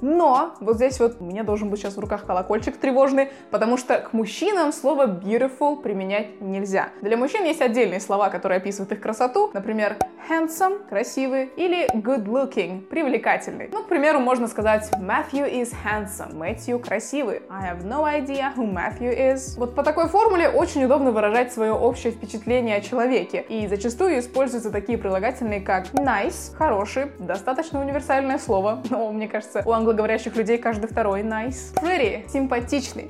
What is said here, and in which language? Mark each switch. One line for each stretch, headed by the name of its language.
Russian: Но вот здесь вот у меня должен быть сейчас в руках колокольчик тревожный, потому что к мужчинам слово beautiful применять нельзя. Для мужчин есть отдельные слова, которые описывают их красоту, например, handsome – красивый, или good looking – привлекательный. Ну, к примеру, можно сказать
English: Matthew is handsome
Russian: – Matthew красивый.
English: I have no idea who Matthew is.
Russian: Вот по такой формуле очень удобно выражать свое общее впечатление о человеке. И зачастую используются такие прилагательные, как nice – хороший, достаточно универсальное слово. Но, мне кажется, у англоговорящих людей каждый второй nice. Pretty – симпатичный.